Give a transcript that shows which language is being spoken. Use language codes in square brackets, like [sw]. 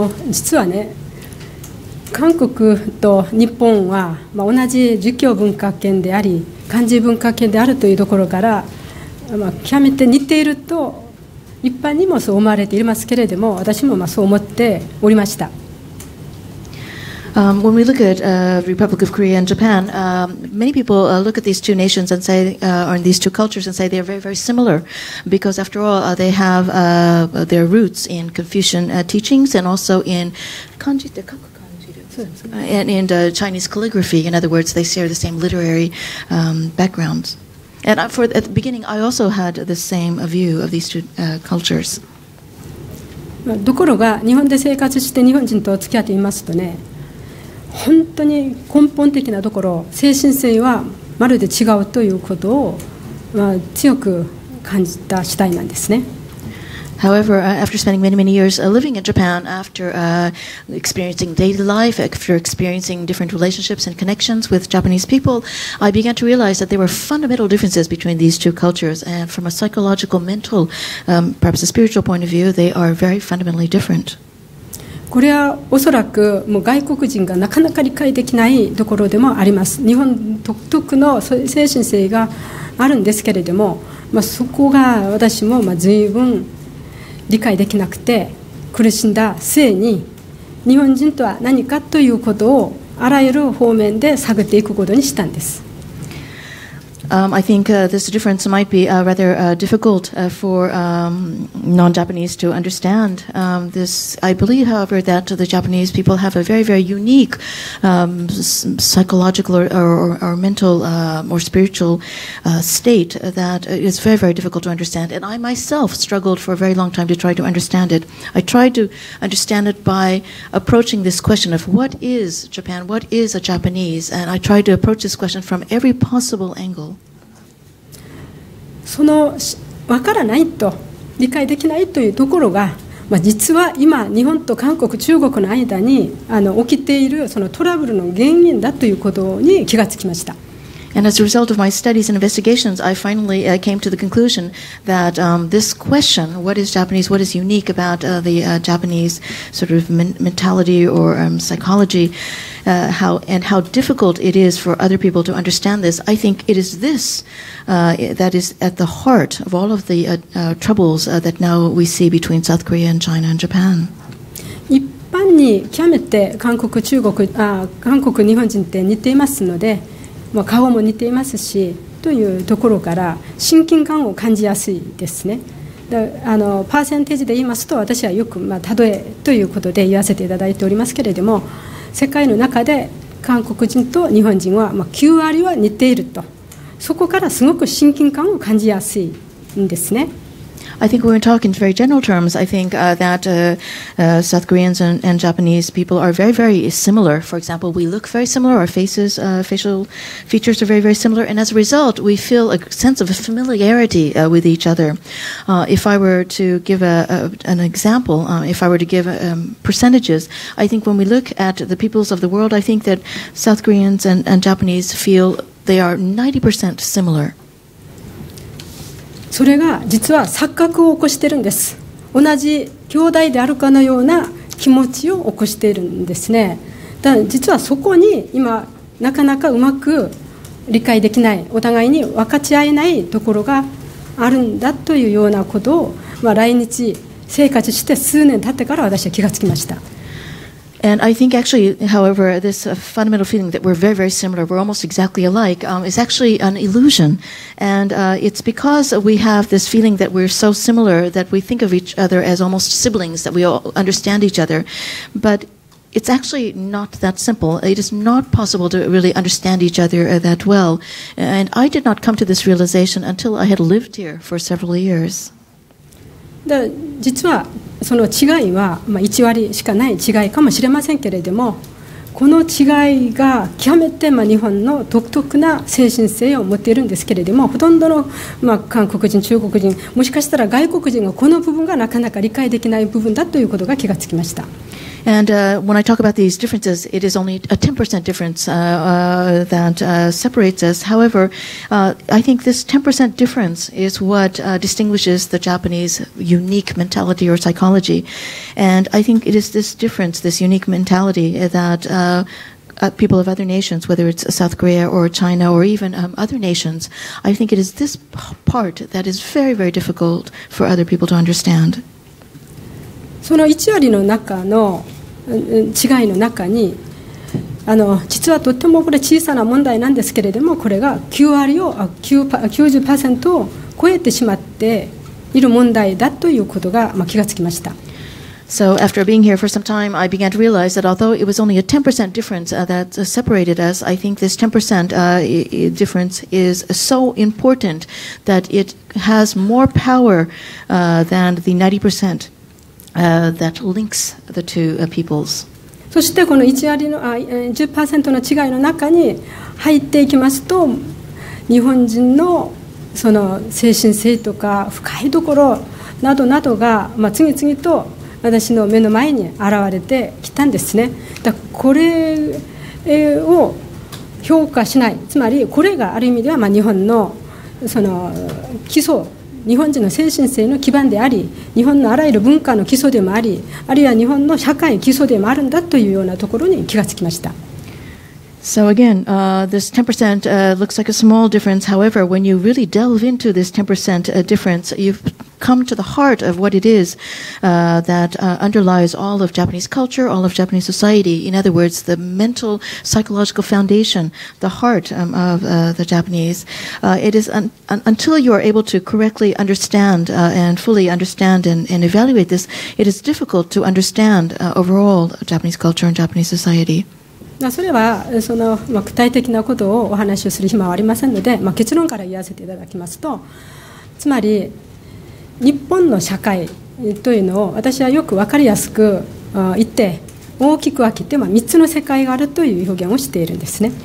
[ja] 実はね、韓国と日本は、同じ儒教文化圏であり漢字文化圏であるというところから、極めて似ていると一般にもそう思われていますけれども、私もそう思っておりました。 [en] When we look at Republic of Korea and Japan, many people look at these two nations and say, or in these two cultures and say they are very, very similar, because after all, they have their roots in Confucian teachings and also in kanji, the kaku kanji, and Chinese calligraphy. In other words, they share the same literary backgrounds. And at the beginning, I also had the same view of these two cultures. [ja] ところが、日本で生活して日本人と付き合っていますとね、本当に根本的なところ、精神性はまるで違うということを、強く感じた次第なんですね。 [en] However, after spending many, many years living in Japan, after experiencing daily life, after experiencing different relationships and connections with Japanese people, I began to realize that there were fundamental differences between these two cultures. And from a psychological, mental, perhaps a spiritual point of view, they are very fundamentally different. [ja] これはおそらくもう外国人がなかなか理解できないところでもあります。日本独特の精神性があるんですけれども、そこが私も随分理解できなくて苦しんだ末に、日本人とは何かということをあらゆる方面で探っていくことにしたんです。 [en] I think this difference might be rather difficult for non-Japanese to understand. I believe, however, that the Japanese people have a very, very unique psychological or mental or spiritual state that is very, very difficult to understand. And I myself struggled for a very long time to try to understand it. I tried to understand it by approaching this question of what is Japan, what is a Japanese? And I tried to approach this question from every possible angle. [ja] その分からないと理解できないというところが、実は今日本と韓国中国の間に起きているそのトラブルの原因だということに気がつきました。 [en] And as a result of my studies and investigations, I finally came to the conclusion that this question, what is Japanese, what is unique about the Japanese sort of mentality or psychology, how difficult it is for other people to understand this, I think it is this that is at the heart of all of the troubles that now we see between South Korea and China and Japan. [ja] 一般に極めて韓国、中国、韓国、日本人って似ていますので、まあ、顔も似ていますしというところから親近感を感じやすいですね。あのパーセンテージで言いますと私はよく、まあ、例えということで言わせていただいておりますけれども、世界の中で韓国人と日本人は、まあ、9割は似ていると、そこからすごく親近感を感じやすいんですね。 [en] I think we're talking in very general terms. I think that South Koreans and Japanese people are very, very similar. For example, we look very similar. Our faces, facial features are very, very similar. And as a result, we feel a sense of familiarity with each other. If I were to give an example, if I were to give percentages, I think when we look at the peoples of the world, I think that South Koreans and Japanese feel they are 90% similar. [ja] それが実は錯覚を起こしているんです。同じ兄弟であるかのような気持ちを起こしているんですね。だ実はそこに今なかなかうまく理解できない、お互いに分かち合えないところがあるんだというようなことを、まあ、来日生活して数年経ってから私は気がつきました。 [en] And I think actually, however, this fundamental feeling that we're very, very similar, we're almost exactly alike, is actually an illusion. And it's because we have this feeling that we're so similar that we think of each other as almost siblings, that we all understand each other. But it's actually not that simple. It is not possible to really understand each other that well. And I did not come to this realization until I had lived here for several years. [ja] 実はその違いは、まあ、1割しかない違いかもしれませんけれども、この違いが極めて、まあ、日本の独特な精神性を持っているんですけれども、ほとんどの、まあ、韓国人、中国人、もしかしたら外国人がこの部分がなかなか理解できない部分だということが気がつきました。 [en] And when I talk about these differences, it is only a 10% difference that separates us. However, I think this 10% difference is what distinguishes the Japanese unique mentality or psychology. And I think it is this difference, this unique mentality that people of other nations, whether it's South Korea or China or even other nations, I think it is this part that is very, very difficult for other people to understand. [ja] その1割の中の違いの中に、あの実はとってもこれ小さな問題なんですけれども、これが90% を超えてしまっている問題だということが、まあ、気がつきました。 [en] So after being here for some time, I began to realize that although it was only a 10% difference that separated us, I think this 10% difference is so important that it has more power than the 90%that links the two peoples. [ja] そしてこの1割の 10% の違いの中に入っていきますと、日本人のその精神性とか深いところなどなどが、まあ、次々と私の目の前に現れてきたんですね。だこれを評価しない、つまりこれがある意味ではまあ日本のその基礎、日本人の精神性の基盤であり、日本のあらゆる文化の基礎でもあり、あるいは日本の社会基礎でもあるんだというようなところに気がつきました。 [en] So again, this 10% looks like a small difference. However, when you really delve into this 10% difference, you've come to the heart of what it is that underlies all of Japanese culture, all of Japanese society. In other words, the mental psychological foundation, the heart of the Japanese. It is until you are able to correctly understand and fully understand and evaluate this, it is difficult to understand overall Japanese culture and Japanese society. [ja] それはその具体的なことをお話をする暇はありませんので、まあ、結論から言わせていただきますと、つまり日本の社会というのを私はよく分かりやすく言って、大きく分けて3つの世界があるという表現をしているんですね。